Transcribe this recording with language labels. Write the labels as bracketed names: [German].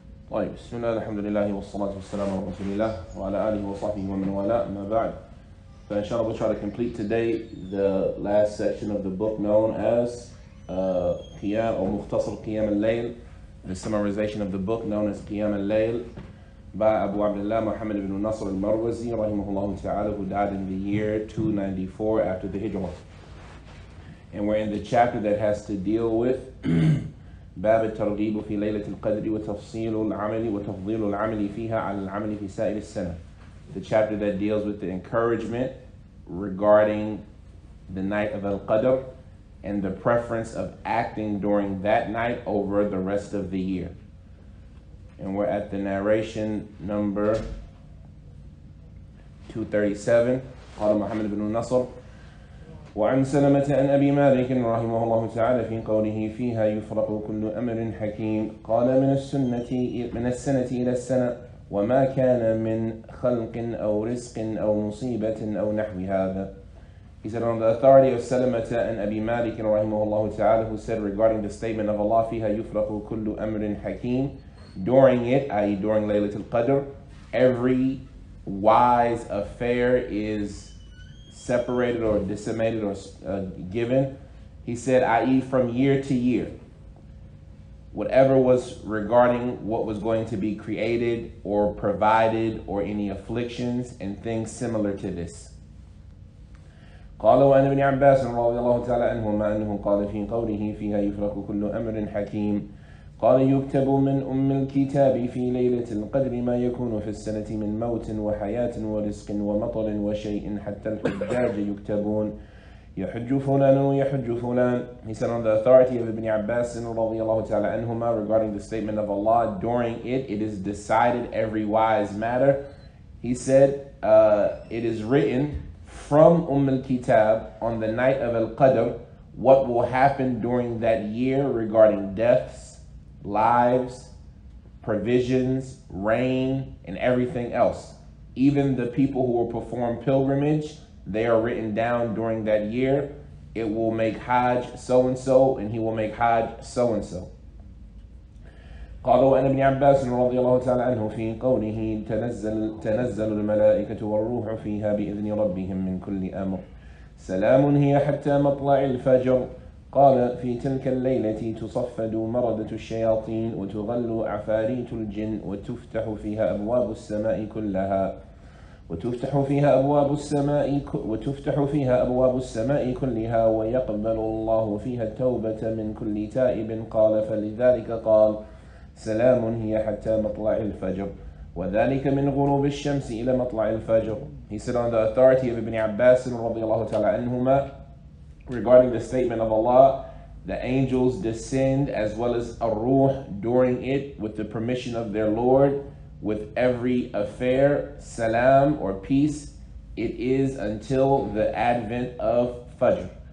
[Arabic] طيب بسم الله الحمد لله والصلاة والسلام على رسول الله وعلى آله وصحبه ومن والاه ما بعد. فإن شاء الله [English] we'll try to complete today the last section of the book known as Qiyam or [Arabic] مختصر قيام الليل, [English] the summarization of the book known as Qiyam الليل by Abu Abdullah Muhammad ibn Nasr al-Marwazi rahimahullah ta'ala, who died in the year 294 after the Hijrah. And we're in the chapter that has to deal with [Arabic] باب الترغيب في ليلة القدر وتفصيل العمل وتفضيل العمل فيها على العمل في سائر السنة. [English] The chapter that deals with the encouragement regarding the night of Al-Qadr and the preference of acting during that night over the rest of the year. And we're at the narration number 237. [Arabic] قال محمد بن نصر وعن سلمة عن أبي مالك رحمه الله تعالى في قوله فيها يفرق كل أمر حكيم قال من السنة إلى السنة وما كان من خلق أو رزق أو مصيبة أو نحو هذا. [English] He said, on the authority of [Arabic] سلمة عن أبي مالك رحمه الله تعالى, [English] who said regarding the statement of Allah [Arabic] فيها يفرق كل أمر حكيم, [English] during it, i.e. during ليلة القدر, every wise affair is separated or decimated or given. He said, i.e. from year to year, whatever was regarding what was going to be created or provided or any afflictions and things similar to this. [Arabic] قال وعن ابن عباس رضي الله تعالى عنهما أنه قال في قوله فيها يفرق كل أمر حكيم قال يكتب من أم الكتاب في ليلة القدر ما يكون في السنة من موت وحياة ورزق ومطر وشيء حتى الحجاج يكتبون يحج فلان ويحج فلان. [English] He said, on the authority of Ibn Abbas [Arabic] رضي الله تعالى عنهما, [English] regarding the statement of Allah, during it, it is decided every wise matter. He said, it is written from Umm al-Kitab on the night of Al-Qadr what will happen during that year regarding deaths, lives, provisions, rain, and everything else. Even the people who will perform pilgrimage, they are written down during that year. It will make Hajj so-and-so, and he will make Hajj so-and-so. [Arabic] قالوا عن ابن عباس رضي الله تعالى عنه في قوله تنزل الملائكة والروح فيها بإذن ربهم من كل أمر سلام هي حتى مطلع الفجر قال في تلك الليلة تصفد مردة الشياطين وتغل عفاريت الجن وتفتح فيها أبواب السماء كلها وتفتح فيها أبواب السماء وتفتح فيها أبواب السماء كلها ويقبل الله فيها التوبة من كل تائب قال فلذلك قال سلام هي حتى مطلع الفجر وذلك من غروب الشمس إلى مطلع الفجر. [English] He said, on the authority of Ibn Abbas [Arabic] رضي الله تعالى عنهما, [English] regarding the statement of Allah, the angels descend as well as ar-ruh during it with the permission of their Lord with every affair, salam or peace, it is until the advent of Fajr.